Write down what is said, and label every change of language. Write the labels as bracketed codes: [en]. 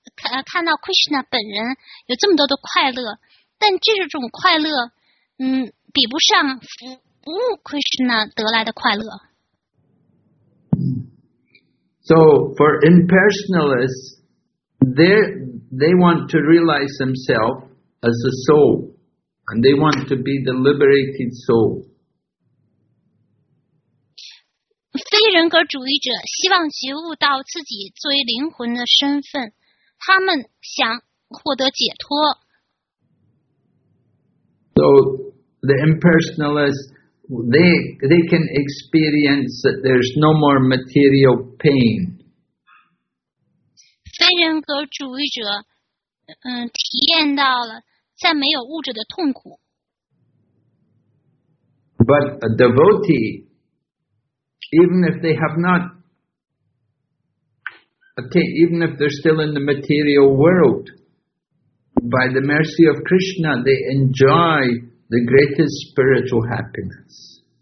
[zh] 看到 Krishna 本人有这么多的快乐，但这种快乐，比不上服务 Krishna 得来的快乐。 [en] So for impersonalists, they want to realize themselves as a soul, and they want to be the liberated soul. [zh] 非人格主义者希望觉悟到自己作为灵魂的身份。他们想获得解脱。 [en] So the impersonalists, they can experience that there's no more material pain. [zh] 非人格主义者，体验到了再没有物质的痛苦。 [en] But a devotee, even if they have not. Okay, even if they're still in the material world, by the mercy of Krishna, they enjoy the greatest spiritual happiness.